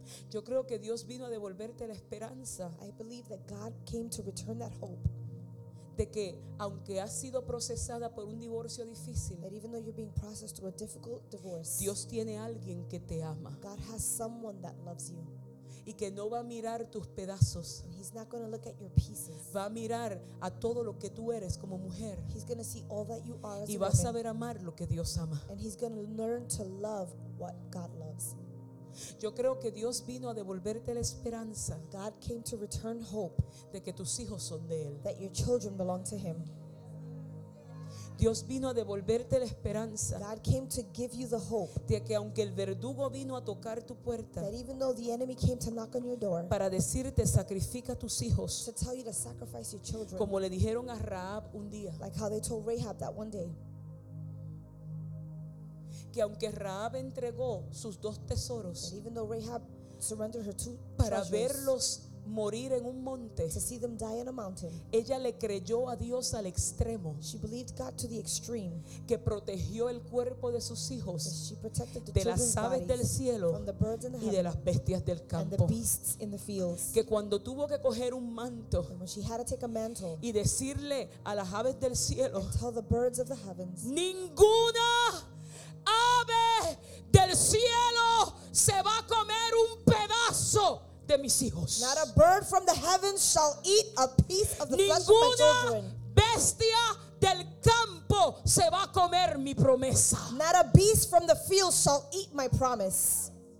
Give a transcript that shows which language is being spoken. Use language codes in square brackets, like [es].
[es] Yo creo que Dios vino a devolverte la esperanza. [en] I believe that God came to return that hope. [es] De que aunque has sido procesada por un divorcio difícil, [en] that even though you're being processed through a difficult divorce, [es] Dios tiene alguien que te ama. [en] God has someone that loves you. [es] Y que no va a mirar tus pedazos. [en] He's not going to look at your pieces. [es] Va a mirar a todo lo que tú eres como mujer. [en] He's going to see all that you are as [es] y va a saber amar lo que Dios ama. [en] And he's going to learn to love what God loves. [es] Yo creo que Dios vino a devolverte la esperanza. [en] God came to return hope. [es] De que tus hijos son de él. [en] That your children belong to him. [es] Dios vino a devolverte la esperanza. [en] God came to give you the hope. [es] De que aunque el verdugo vino a tocar tu puerta. [en] That even though the enemy came to knock on your door. [es] Para decirte sacrifica a tus hijos. [en] To tell you to sacrifice your children. [es] Como le dijeron a Rahab un día. [en] Like how they told Rahab that one day. [es] Que aunque Rahab entregó sus dos tesoros. [en] That even though Rahab surrendered her two treasures. [es] Para verlos morir en un monte. [en] To see them die in a mountain. [es] Ella le creyó a Dios al extremo. [en] She believed God to the extreme. [es] Que protegió el cuerpo de sus hijos. [en] That she protected the [es] de las aves del cielo. [en] From the birds in the [es] y de las bestias del campo. [en] And the beasts in the fields. [es] Que cuando tuvo que coger un manto. [en] And when she had to take a mantle. [es] Y decirle a las aves del cielo. [en] And tell the birds of the heavens. [es] Ninguna ave del cielo se va a comer un pedazo. [en] Not a bird from the heavens shall eat a piece of the [es] ninguna [en] flesh of my children. [es] Bestia del campo se va a comer mi promesa. [en] Not a beast from the field shall eat my promise.